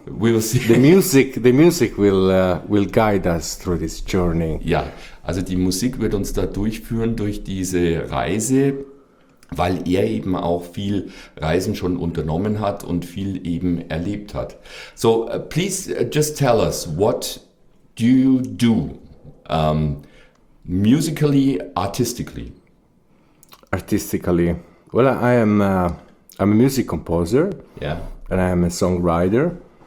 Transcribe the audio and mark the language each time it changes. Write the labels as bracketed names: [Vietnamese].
[English] The music will guide us through this journey. [German] Yeah, also die Musik wird uns da durchführen durch diese Reise, weil er eben auch viel Reisen schon unternommen hat und viel eben erlebt hat. [English] So, please just tell us, what do you do musically, artistically? Artistically. Well, I am I'm a music composer. Yeah. And I am a songwriter.